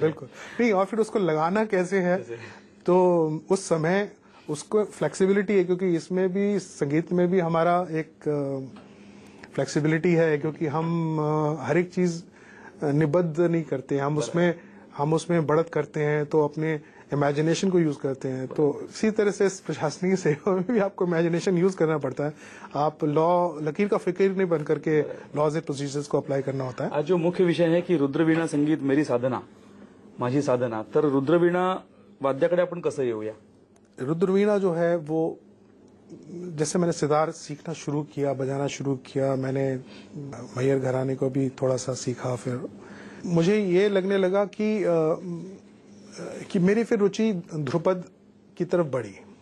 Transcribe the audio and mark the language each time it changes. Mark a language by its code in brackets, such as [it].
[hi] बिल्कुल नहीं, और फिर उसको लगाना कैसे है? तो उस समय उसको फ्लेक्सिबिलिटी है, क्योंकि इसमें भी, संगीत में भी हमारा एक फ्लेक्सिबिलिटी है, क्योंकि हम हर एक चीज निबद्ध नहीं करते, हम उसमें बढ़त करते हैं, तो अपने इमेजिनेशन को यूज करते हैं। तो इसी तरह से इस प्रशासनिक सेवा में भी आपको इमेजिनेशन यूज करना पड़ता है। आप लॉ लकीर का फिकीर नहीं बन करके लॉज एंड प्रोसीजर्स को अप्लाई करना होता है। आज जो मुख्य विषय है कि रुद्रवीणा संगीत मेरी साधना, [mr] माझी साधना, तर रुद्रवीणा वाद्याकडे आपण कसं येऊया? [hi] रुद्रवीणा जो है वो जैसे मैंने सितार सीखना शुरू किया, बजाना शुरू किया, मैंने मैयर घराने को भी थोड़ा सा सीखा, फिर मुझे ये लगने लगा कि मेरी फिर रुचि ध्रुपद की तरफ बढ़ी।